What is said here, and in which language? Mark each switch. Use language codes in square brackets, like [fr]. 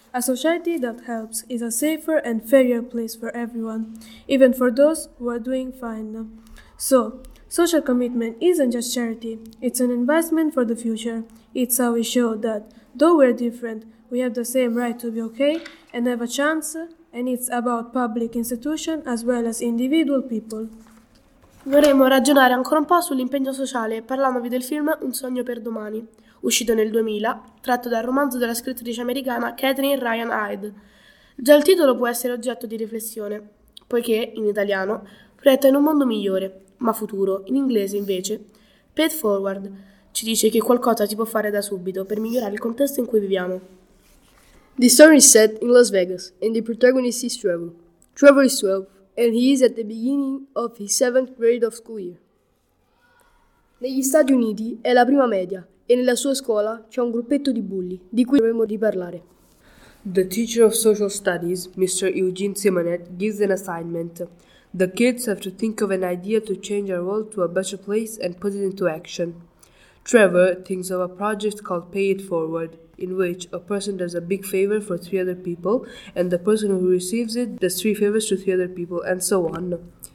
[en] A society that helps is a safer and fairer place for everyone, even for those who are doing fine. So, social commitment isn't just charity, it's an investment for the future. It's how we show that, though we're different, we have the same right to be okay and have a chance, and it's about public institutions as well as individual people. [it] Vorremmo ragionare ancora un po' sull'impegno sociale, parlandovi del film Un sogno per domani, uscito nel 2000, tratto dal romanzo della scrittrice americana Catherine Ryan Hyde. Già il titolo può essere oggetto di riflessione, poiché, in italiano, proietta in un mondo migliore, ma futuro, in inglese, invece, Pay It Forward, ci dice che qualcosa si può fare da subito per migliorare il contesto in cui viviamo. [en] The story is set in Las Vegas, and the protagonist is Trevor. Trevor is 12, and he is at the beginning of his 7th grade of school year. [it] Negli Stati Uniti è la prima media, e nella sua scuola c'è un gruppetto di bulli, di cui dovremmo riparlare. [en] The teacher of social studies, Mr. Eugene Simonet, gives an assignment. The kids have to think of an idea to change our world to a better place and put it into action. Trevor thinks of a project called Pay It Forward, in which a person does a big favor for three other people, and the person who receives it does three favors to three other people, and so on.